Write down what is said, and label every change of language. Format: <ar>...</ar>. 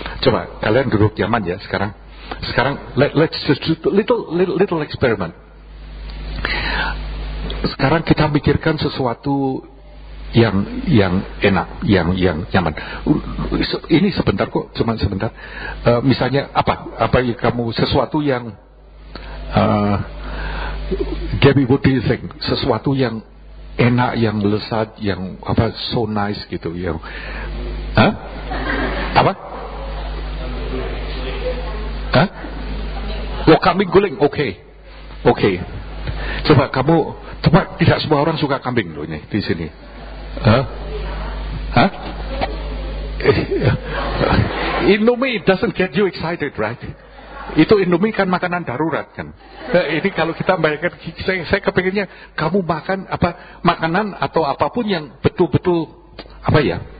<id>Coba kalian duduk nyaman ya sekarang.</id> <en>Sekarang let's just do little experiment.</en> <id>Sekarang kita pikirkan sesuatu yang enak, yang nyaman. Ini sebentar kok, cuma sebentar. Misalnya apa kamu sesuatu yang Gabby,</id> <en>what do you think?</en> <id>Sesuatu yang enak, yang lezat, yang apa</id> <en>so nice</en> <id>gitu, yang apa? Oh, kambing guling, okay. Coba kamu, coba tidak semua orang suka kambing loh ini di sini.</id> <en>Indomie doesn't get you excited, right?</en> <id>Itu Indomie kan makanan darurat kan. Ini kalau kita bayangkan, saya kepinginnya kamu makan apa makanan atau apapun yang betul-betul apa ya?</id>